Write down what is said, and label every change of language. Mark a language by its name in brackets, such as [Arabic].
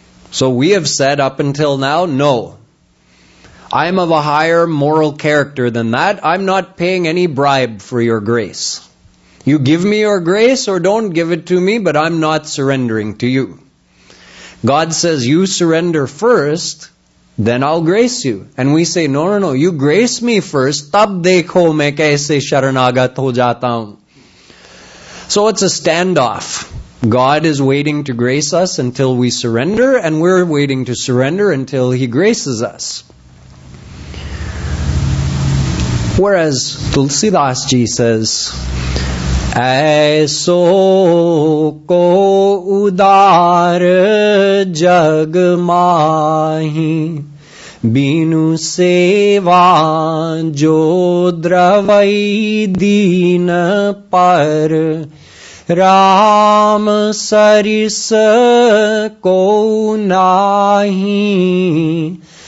[English] So we have said up until now, no. I'm of a higher moral character than that. I'm not paying any bribe for your grace. You give me your grace or don't give it to me, but I'm not surrendering to you. God says, you surrender first, then I'll grace you. And we say, no, no, no, you grace me first. [Hindi] तब देखो मैं कैसे शरणागत हो जाता हूँ. [English] So it's a standoff. God is waiting to grace us until we surrender, and we're waiting to surrender until he graces us. Whereas Tulsidas ji says, [Hindi] ऐसो को उदार जग माही, बिनु सेवा जो द्रवै दीन पर, राम सरिस को नाही